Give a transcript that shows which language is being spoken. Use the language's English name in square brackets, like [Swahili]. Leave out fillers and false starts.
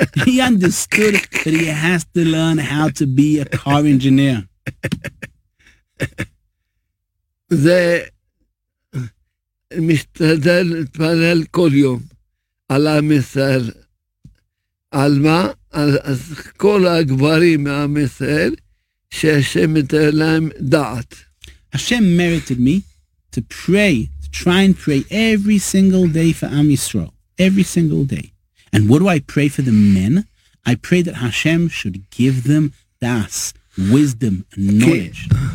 [English] He understood that he has to learn how to be a car engineer. [Hebrew] זה משתדל להתפלל כל יום על עם ישראל. על מה? על כל הגברים מעם ישראל שהשם יתן להם דעת. [English] Hashem merited me to pray, to try and pray every single day for Am Yisrael, every single day. And what do I pray for the men? I pray that Hashem should give them das, wisdom and knowledge.